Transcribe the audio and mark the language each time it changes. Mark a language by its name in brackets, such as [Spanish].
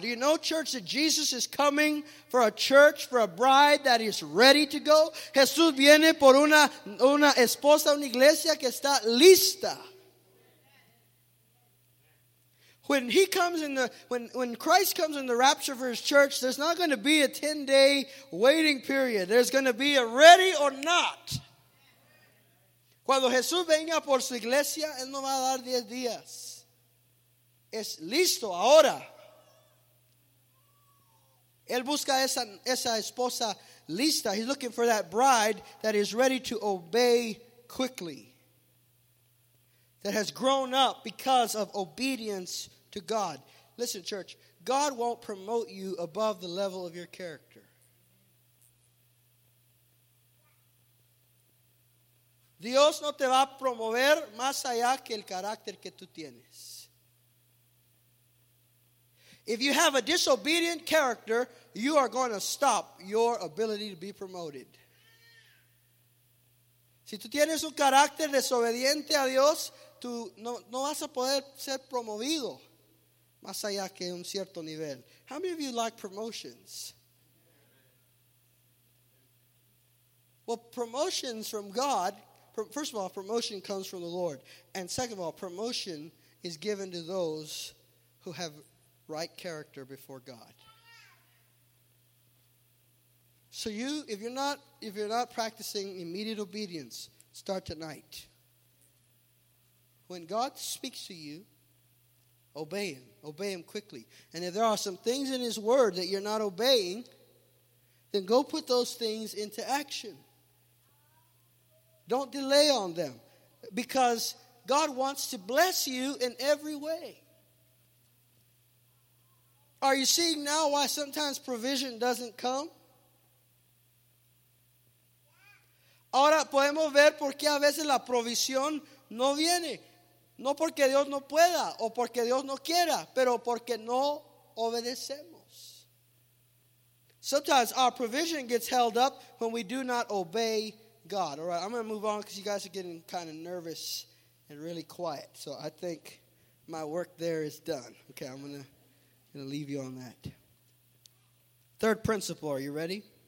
[English] Do you know, church, that Jesus is coming for a church, for a bride that is ready to go? [Spanish] Jesús viene por una esposa, una iglesia que está lista. [English] When he comes in the when Christ comes in the rapture for his church, there's not going to be a 10-day waiting period. There's going to be a ready or not. [Spanish] Cuando Jesús venga por su iglesia, él no va a dar 10 días. Es listo ahora. Él busca esa esposa lista. [English] He's looking for that bride that is ready to obey quickly. That has grown up because of obedience to God. Listen, church, God won't promote you above the level of your character. [Spanish] Dios no te va a promover más allá que el carácter que tú tienes. [English] If you have a disobedient character, you are going to stop your ability to be promoted. [Spanish] Si tú tienes un carácter desobediente a Dios, tú no vas a poder ser promovido. Más allá que un cierto nivel. [English] How many of you like promotions? Well, promotions from God, first of all, promotion comes from the Lord. And second of all, promotion is given to those who have right character before God. So you, if you're not practicing immediate obedience, start tonight. When God speaks to you, obey him. Obey him quickly. And if there are some things in his word that you're not obeying, then go put those things into action. Don't delay on them. Because God wants to bless you in every way. Are you seeing now why sometimes provision doesn't come? [Spanish] Ahora podemos ver por qué a veces la provisión no viene. No porque Dios no pueda o porque Dios no quiera, pero porque no obedecemos. [English] Sometimes our provision gets held up when we do not obey God. All right, I'm going to move on because you guys are getting kind of nervous and really quiet. So I think my work there is done. Okay, I'm going to leave you on that. Third principle, are you ready?